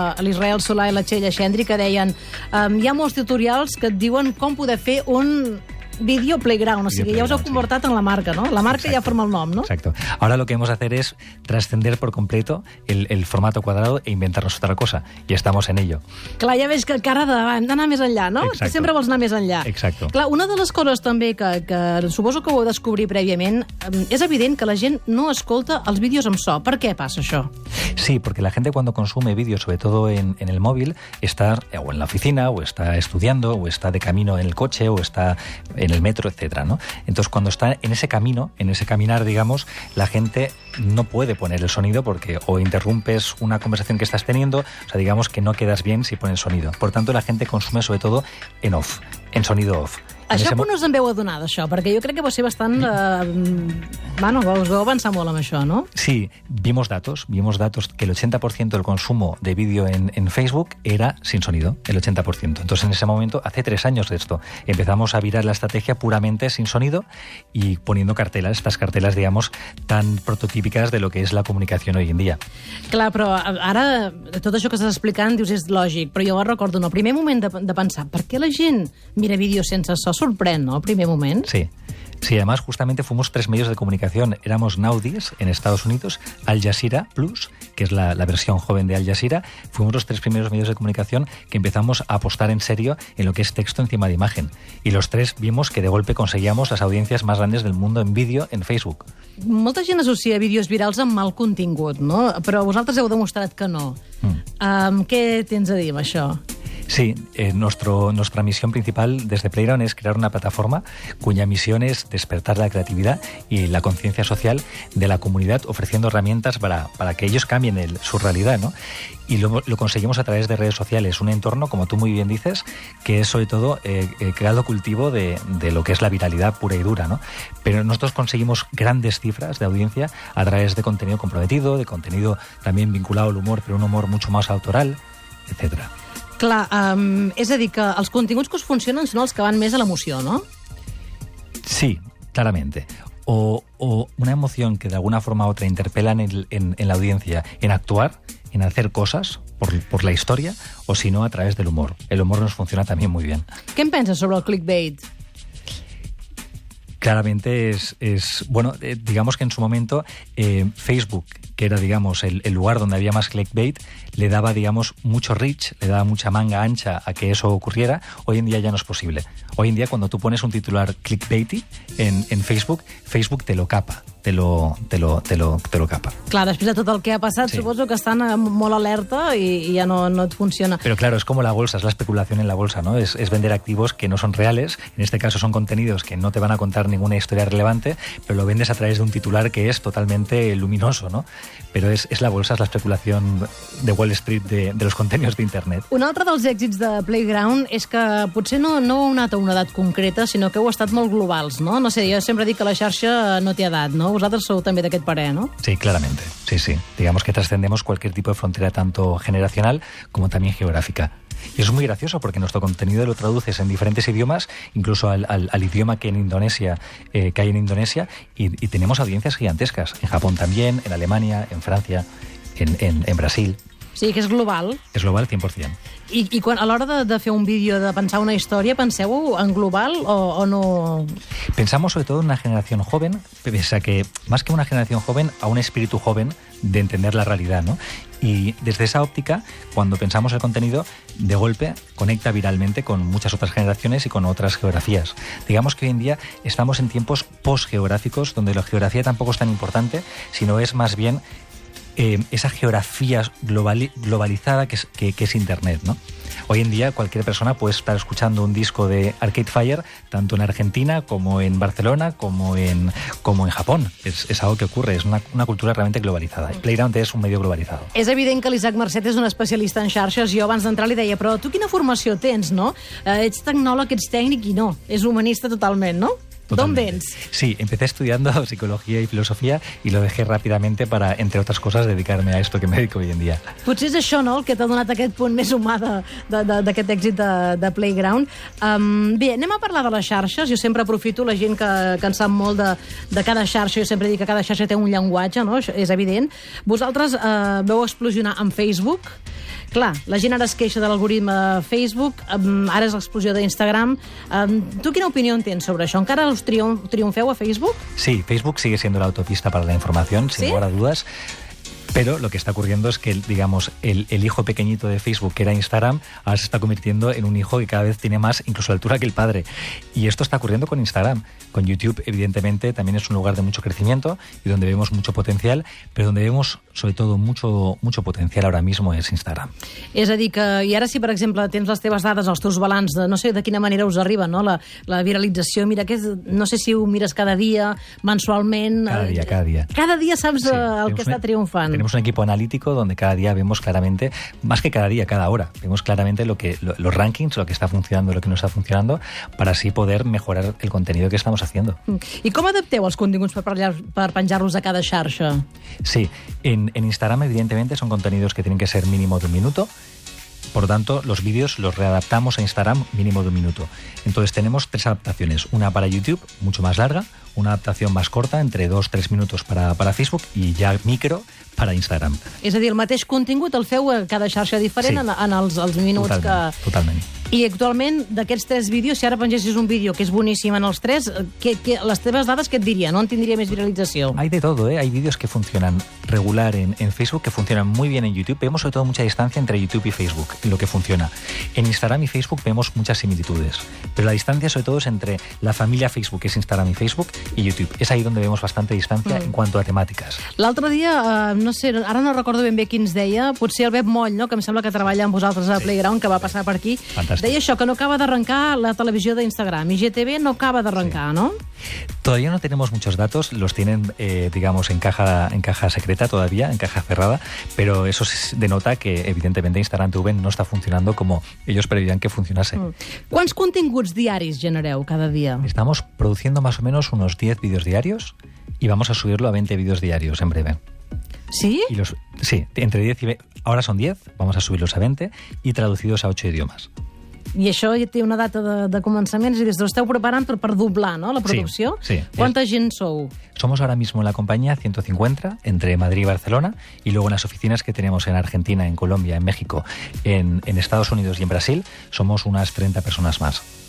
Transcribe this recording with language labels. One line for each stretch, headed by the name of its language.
Catalan: L'Israel Solà i la Txell Eixendri, que deien, hi ha molts tutorials que et diuen com poder fer un Video Playground, o sigui, ja us heu convertit en la marca, no? La marca, exacto, ja forma el nom, no?
Spanish: Exacto. Ahora lo que hemos de hacer es trascender por completo el formato cuadrado e inventarnos otra cosa. Y estamos en ello.
Catalan: Clar, ja veig que encara hem d'anar més enllà, no?
Spanish: Exacto.
Catalan: Sempre vols anar més enllà.
Spanish: Exacto.
Catalan: Clar, una de les coses també que suposo que ho heu descobrir prèviament, és evident que la gent no escolta els vídeos amb so. Per què passa això?
Spanish: Sí, porque la gente cuando consume vídeo, sobre todo en el móvil, está o en la oficina, o está estudiando, o está de camino en el coche, o está en el metro, etcétera, ¿no? Entonces, cuando está en ese camino, en ese caminar, digamos, la gente no puede poner el sonido porque o interrumpes una conversación que estás teniendo, o sea, digamos que no quedas bien si pones sonido. Por tanto, la gente consume sobre todo en off, en sonido off.
Catalan: Això com no us en veu adonar, d'això? Perquè jo crec que va ser bastant... us veu avançar molt amb això, no?
Spanish: Sí, vimos datos que el 80% del consumo de vídeo en Facebook era sin sonido, el 80%. Entonces, en ese momento, hace 3 años de esto, empezamos a virar la estrategia puramente sin sonido y poniendo cartelas, estas cartelas, digamos, tan prototípicas de lo que es la comunicación hoy en día.
Catalan: Clar, però ara tot això que estàs explicant, dius, és lògic, però jo recordo, no, el primer moment de pensar per què la gent mira vídeos sense so, sorprèn, no?, al primer moment. Sí.
Spanish: Sí, además, justamente fuimos 3 medios de comunicación. Éramos Naudis, en Estados Unidos, Al Jazeera Plus, que es la versión joven de Al Jazeera. Fuimos los 3 primeros medios de comunicación que empezamos a apostar en serio en lo que es texto encima de imagen. Y los 3 vimos que de golpe conseguíamos las audiencias más grandes del mundo en vídeo en Facebook.
Catalan: Molta gent associa vídeos virals amb mal contingut, no? Però vosaltres heu demostrat que no. Què tens a dir amb això?
Spanish: Sí, nuestra misión principal desde Playground es crear una plataforma cuya misión es despertar la creatividad y la conciencia social de la comunidad, ofreciendo herramientas para que ellos cambien su realidad, ¿no? Y lo conseguimos a través de redes sociales, un entorno, como tú muy bien dices, que es sobre todo el caldo cultivo de lo que es la viralidad pura y dura, ¿no? Pero nosotros conseguimos grandes cifras de audiencia a través de contenido comprometido, de contenido también vinculado al humor, pero un humor mucho más autoral, etcétera.
Catalan: Clar, és a dir, que els continguts que us funcionen són els que van més a l'emoció, no?
Spanish: Sí, claramente.
Catalan: O una emoció que d'alguna forma o altra interpel·la en l'audiència en actuar,
Spanish: en hacer cosas por la historia, o si no, a través del humor. El humor nos funciona también muy bien. ¿Qué piensas sobre el clickbait? Claramente es bueno, digamos que en su momento Facebook, que era, digamos, el lugar donde había más clickbait, le daba, digamos, mucho reach, le daba mucha manga ancha a que eso ocurriera. Hoy en día ya no es posible. Hoy en día, cuando tú pones un titular clickbaity en Facebook, Facebook te lo capa. Te lo capa.
Catalan: Clar, després de tot el que ha passat, sí. Suposo que estan molt alerta i ja no et funciona.
Spanish: Pero claro, es como la bolsa, es la especulación en la bolsa, ¿no? Es vender activos que no son reales, en este caso son contenidos que no te van a contar ninguna historia relevante, pero lo vendes a través de un titular que es totalmente luminoso, ¿no? Pero es la bolsa, es la especulación de Wall Street de los contenidos de Internet.
Catalan: Un altre dels èxits de Playground és que potser no heu anat a una edat concreta, sinó que heu estat molt globals, ¿no? No sé, jo sempre dic que la xarxa no té edat, ¿no? Vosaltres sou també d'aquest parer, no?
Spanish: Sí, claramente. Sí, sí. Digamos que trascendemos cualquier tipo de frontera, tanto generacional como también geográfica. Y es muy gracioso porque nuestro contenido lo traduces en diferentes idiomas, incluso al idioma que en Indonesia, que hay en Indonesia, y tenemos audiencias gigantescas. En Japón también, en Alemania, en Francia, en Brasil.
Catalan: Sí, que és global. És global, 100%. I quan, a l'hora de fer un vídeo, de pensar una història, penseu en global o no?
Spanish: Pensamos sobre todo en una generación joven, pese a que, más que una generación joven, a un espíritu joven de entender la realidad, ¿no? Y desde esa óptica, cuando pensamos el contenido, de golpe conecta viralmente con muchas otras generaciones y con otras geografías. Digamos que hoy en día estamos en tiempos posgeográficos, donde la geografía tampoco es tan importante, sino es más bien esa geografía globalizada que es Internet, ¿no? Hoy en día cualquier persona puede estar escuchando un disco de Arcade Fire tanto en Argentina como en Barcelona como en Japón. Es algo que ocurre, es una cultura realmente globalizada. Playground es un medio globalizado.
Catalan: És evident que l'Isaac Mercet és un especialista en xarxes. Jo abans d'entrar li deia, però tu quina formació tens, no? Ets tecnòleg, ets tècnic i no. És humanista totalment, no?
Spanish: Totalmente. ¿Dónde? Sí, empecé estudiando psicología y filosofía y lo dejé rápidamente para, entre otras cosas, dedicarme a esto que me dedico hoy en día.
Catalan: Potser és això, no?, el que t'ha donat aquest punt més humà d'aquest èxit de Playground. Bé, anem a parlar de les xarxes. Jo sempre aprofito la gent que en sap molt de cada xarxa. Jo sempre dic que cada xarxa té un llenguatge, no? Això és evident. Vosaltres veu explosionar en Facebook. Clar, la gent ara es queixa de l'algoritme de Facebook, ara és l'explosió d'Instagram. Tu quina opinió en tens sobre això? Encara us triomfeu a Facebook?
Spanish: Sí, Facebook sigue siendo la autopista para la información, sin lugar a dudas. Pero lo que está ocurriendo es que, digamos, el hijo pequeñito de Facebook, que era Instagram, ahora se está convirtiendo en un hijo que cada vez tiene más incluso altura que el padre. Y esto está ocurriendo con Instagram. Con YouTube, evidentemente, también es un lugar de mucho crecimiento y donde vemos mucho potencial, pero donde vemos, sobre todo, mucho potencial ahora mismo es Instagram.
Catalan: És a dir, que, i ara si, per exemple, tens les teves dades, els teus balanços, no sé de quina manera us arriba, no?, la viralització, mira, que és, no sé si ho mires cada dia, mensualment... Cada dia. Cada dia saps, sí, el que està triomfant.
Spanish: Tenemos un equipo analítico donde cada día vemos claramente, más que cada día, cada hora, vemos claramente los rankings, lo que está funcionando, lo que no está funcionando, para así poder mejorar el contenido que estamos haciendo. ¿Y cómo
Catalan: adapteu els continguts per penjar-los a cada xarxa?
Spanish: Sí, en Instagram, evidentemente, son contenidos que tienen que ser mínimo de un minuto. Por lo tanto, los vídeos los readaptamos a Instagram mínimo de un minuto. Entonces tenemos tres adaptaciones. Una para YouTube, mucho más larga. Una adaptación más corta, entre 2-3 minutos para Facebook. Y ya micro para Instagram.
Catalan: És a dir, el mateix contingut el feu a cada xarxa diferent, sí, en els minuts totalment, que... Totalment. I actualment, d'aquests tres vídeos, si ara pengessis un vídeo que és boníssim en els tres, que les teves dades què et dirien? On tindria més viralització?
Spanish: Hay de todo, ¿eh? Hay vídeos que funcionan regular en Facebook, que funcionan muy bien en YouTube. Vemos sobre todo mucha distancia entre YouTube y Facebook, lo que funciona. En Instagram y Facebook vemos muchas similitudes, pero la distancia sobre todo es entre la familia Facebook, que es Instagram y Facebook, y YouTube. Es ahí donde vemos bastante distancia en cuanto a temàtiques.
Catalan: L'altre dia, no sé, ara no recordo ben bé qui ens deia, potser el Beb Moll, no?, que em sembla que treballa amb vosaltres a Playground, que va passar per aquí. Fantàstic. Deia això, que no acaba d'arrencar la televisió d'Instagram, IGTV no acaba d'arrencar, sí. No?
Spanish: Todavía no tenemos muchos datos, los tienen, digamos, en caja secreta todavía, en caja cerrada, pero eso denota que, evidentemente, Instagram TV no está funcionando como ellos preveían que funcionase.
Catalan: ¿Cuántos continguts diarios genereu cada día?
Spanish: Estamos produciendo más o menos unos 10 vídeos diarios y vamos a subirlo a 20 vídeos diarios en breve. ¿Sí? Sí, entre 10 y 20, ahora son 10, vamos a subirlos a 20 y traducidos a 8 idiomas.
Catalan: I això ja té una data de començament, és a dir, esteu preparant per doblar, no?, la producció. Sí, sí. Quanta gent sou?
Spanish: Somos ahora mismo en la compañía 150, entre Madrid y Barcelona, y luego en las oficinas que tenemos en Argentina, en Colombia, en México, en Estados Unidos y en Brasil, somos unas 30 personas más.